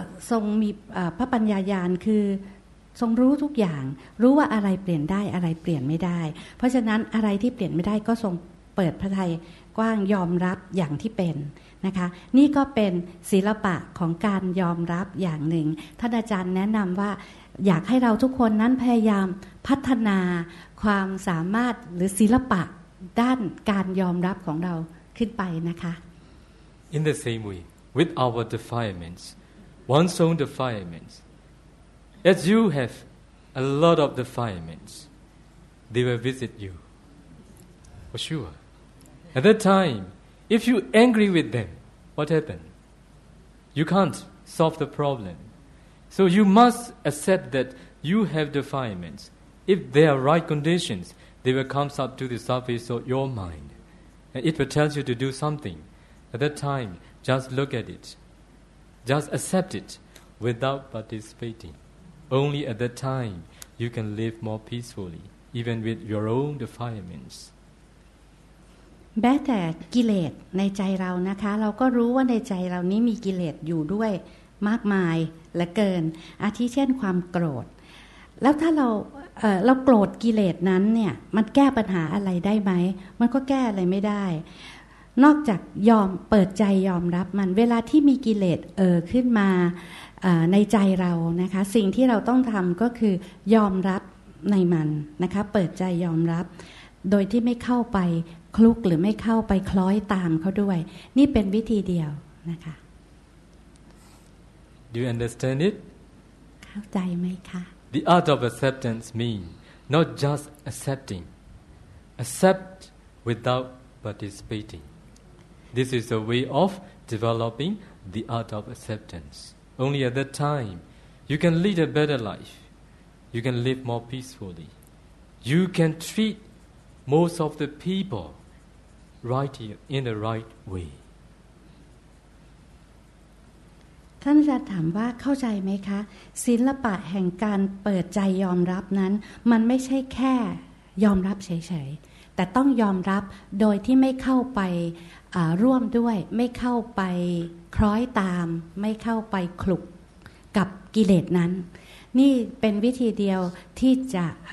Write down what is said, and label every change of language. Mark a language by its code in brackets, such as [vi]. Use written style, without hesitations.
[th] ทรงมีพระปัญญาญาณคือทรงรู้ทุกอย่างรู้ว่าอะไรเปลี่ยนได้อะไรเปลี่ยนไม่ได้เพราะฉะนั้นอะไรที่เปลี่ยนไม่ได้ก็ทรงเปิดพระทัยกว้างยอมรับอย่างที่เป็นนะคะนี่ก็เป็นศิลปะของการยอมรับอย่างหนึ่งท่านอาจารย์แนะนำว่าอยากให้เราทุกคนนั้นพยายามพัฒนาความสามารถหรือศิลปะด้านการยอมรับของเราขึ้นไปนะคะ [en] In the same way with our defilements one's own defilements as you have a lot of defilements they will visit you for sure at that time if you angry with them what happened you can't solve the problem so you must accept that you have defilements if there are right conditionsThey will come up to the surface of your mind. And it will tell you to do something. At that time, just look at it. Just accept it without participating. Only at that time, you can live more peacefully, even with your own defilements. [th] แม้แต่กิเลสในใจเรานะคะเราก็รู้ว่าในใจเรานี้มีกิเลสอยู่ด้วยมากมายเหลือเกินอาทิเช่นความโกรธแล้วถ้าเราโกรธกิเลสนั้นเนี่ยมันแก้ปัญหาอะไรได้ไหมมันก็แก้อะไรไม่ได้นอกจากยอมเปิดใจยอมรับมันเวลาที่มีกิเลสขึ้นมา ในใจเรานะคะสิ่งที่เราต้องทำก็คือยอมรับในมันนะคะเปิดใจยอมรับโดยที่ไม่เข้าไปคลุกหรือไม่เข้าไปคล้อยตามเขาด้วยนี่เป็นวิธีเดียวนะคะ [en] Do you understand it [th] เข้าใจไหมคะ [en] The art of acceptance means not just accepting, accept without participating. This is a way of developing the art of acceptance. Only at that time, you can lead a better life. You can live more peacefully. You can treat most of the people right here in the right way. [th] ท่านอาจารย์ถามว่าเข้าใจไหมคะศิลปะแห่งการเปิดใจยอมรับนั้นมันไม่ใช่แค่ยอมรับเฉยๆแต่ต้องยอมรับโดยที่ไม่เข้าไปร่วมด้วยไม่เข้าไปคล้อยตามไม่เข้าไปคลุกกับกิเลสนั้นนี่เป็นวิธีเดียวที่จะ